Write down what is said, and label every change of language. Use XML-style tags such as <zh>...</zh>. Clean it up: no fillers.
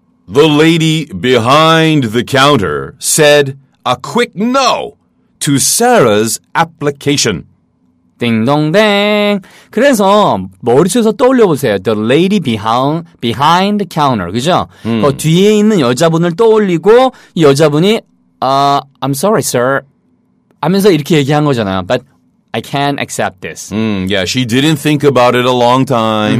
<en>The lady behind the counter said a quick no to Sarah's application.</en> <ko>띵동댕. 그래서 머릿속에서 떠올려보세요.</ko> <en>The lady behind the counter.</en> <ko>그죠? 그 뒤에 있는 여자분을 떠올리고 이 여자분이</ko> <en>I'm sorry, sir.</en> <ko>하면서 이렇게 얘기한 거잖아요.</ko> <en>But I can't accept this. Yeah, she didn't think about it a long time.</en>